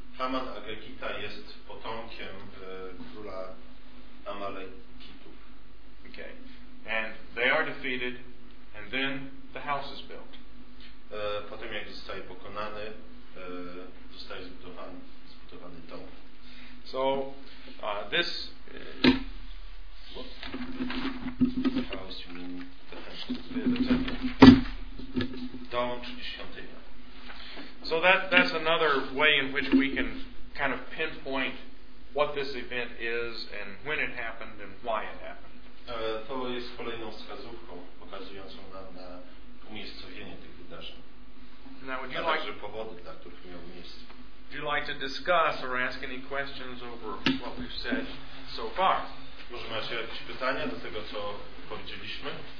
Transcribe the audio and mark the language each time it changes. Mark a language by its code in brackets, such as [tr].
[pl] Haman Agagita jest potomkiem króla Amalekitów. [en] Okay. And they are defeated and then the house is built. [pl] Potem jak zostaje pokonany, zostaje zbudowany dom. [en] So this the house, you mean the temple. [pl] Dom, czyli świątynia. [en] So that's another way in which we can kind of pinpoint what this event is and when it happened and why it happened. [pl] To jest kolejną wskazówką pokazującą nam na umiejscowienie tych wydarzeń. [en] Now, would you [pl] a także powody, dla których miał miejsce. [en] Would you like to discuss or ask any questions over what we've said so far? [pl] Może macie jakieś pytania do tego, co powiedzieliśmy?